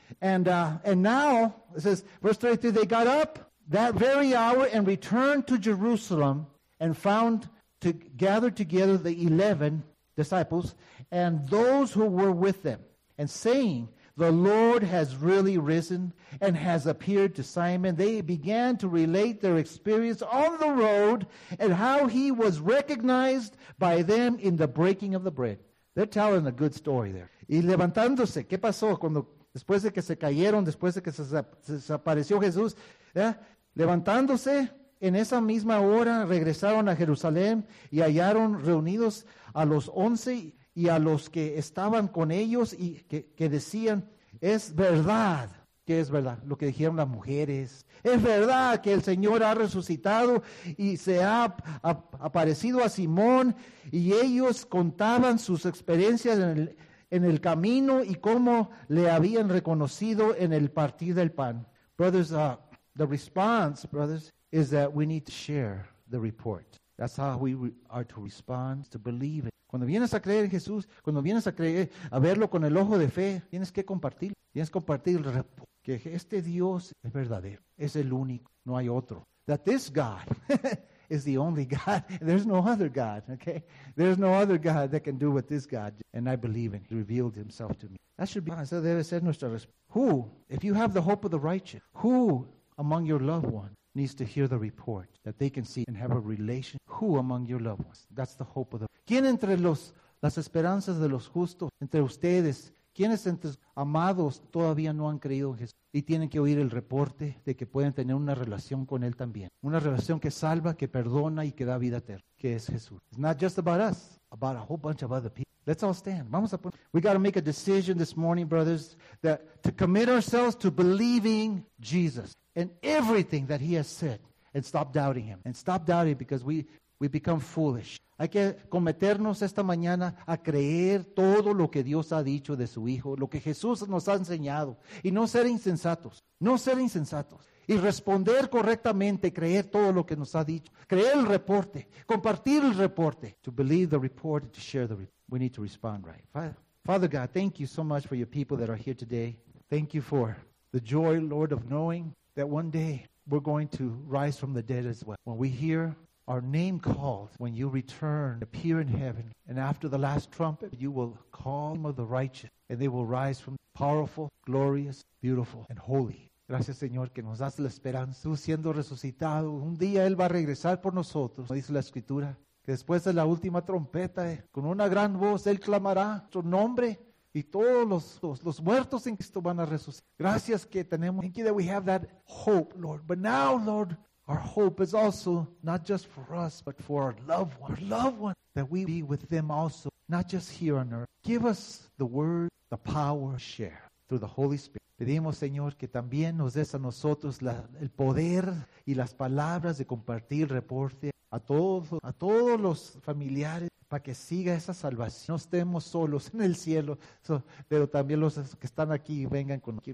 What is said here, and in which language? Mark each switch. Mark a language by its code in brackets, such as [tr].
[en] And now, it says, verse 33, they got up that very hour and returned to Jerusalem and found to gather together the 11 disciples and those who were with them and saying, the Lord has really risen and has appeared to Simon. They began to relate their experience on the road and how he was recognized by them in the breaking of the bread. They're telling a good story there. [es] Y levantándose, ¿qué pasó cuando después de que se cayeron, después de que se desapareció Jesús? ¿Eh? Levantándose, en esa misma hora regresaron a Jerusalén y hallaron reunidos a los 11 y a los que estaban con ellos y que decían, es verdad, que es verdad, lo que dijeron las mujeres, es verdad que el Señor ha resucitado y se ha aparecido a Simón y ellos contaban sus experiencias en el camino y cómo le habían reconocido en el partir del pan. [en] Brothers, the response, brothers, is that we need to share the report. That's how we are to respond, to believe it. [es] Cuando vienes a creer en Jesús, cuando vienes a creer, a verlo con el ojo de fe, tienes que compartir. Tienes que compartir el report. Que este Dios es verdadero. Es el único. No hay otro. [en] That this God is the only God. There's no other God, okay? There's no other God that can do what this God did. And I believe in. He revealed himself to me. That should be. [es] Eso debe ser nuestra respuesta. [en] Who, if you have the hope of the righteous, who among your loved ones needs to hear the report that they can see and have a relation. Who among your loved ones? That's the hope of the. [es] ¿Quién entre los las esperanzas de los justos entre ustedes? ¿Quiénes entre amados todavía no han creído en Jesús y tienen que oír el reporte de que pueden tener una relación con él también, una relación que salva, que perdona y que da vida eterna, que es Jesús? [en] It's not just about us, about a whole bunch of other people. Let's all stand. [es] Vamos a [en] We got to make a decision this morning, brothers, that to commit ourselves to believing Jesus and everything that he has said and stop doubting him. And stop doubting because we become foolish. [es] Hay que comprometernos esta mañana a creer todo lo que Dios ha dicho de su Hijo, lo que Jesús nos ha enseñado, y no ser insensatos, no ser insensatos, y responder correctamente, creer todo lo que nos ha dicho, creer el reporte, compartir el reporte. [en] To believe the report, to share the report, we need to respond right. Father God, thank you so much for your people that are here today. Thank you for the joy, Lord, of knowing that one day we're going to rise from the dead as well. When we hear our name called, when you return, appear in heaven, and after the last trumpet, you will call them of the righteous, and they will rise from powerful, glorious, beautiful, and holy. [es] Gracias, Señor, que nos das la esperanza. Tú siendo resucitado, un día Él va a regresar por nosotros, dice la Escritura, que después de la última trompeta, con una gran voz, Él clamará tu nombre, y todos los muertos en Cristo van a resucitar. Gracias que tenemos. [en] Thank you that we have that hope, Lord. But now, Lord, our hope is also not just for us, but for our loved ones, that we be with them also, not just here on earth. Give us the word, the power to share through the Holy Spirit. [es] Pedimos, Señor, que también nos des a nosotros el poder y las palabras de compartir el reporte a todos los familiares para que siga esa salvación. No estemos solos en el cielo, pero también los que están aquí vengan con aquí,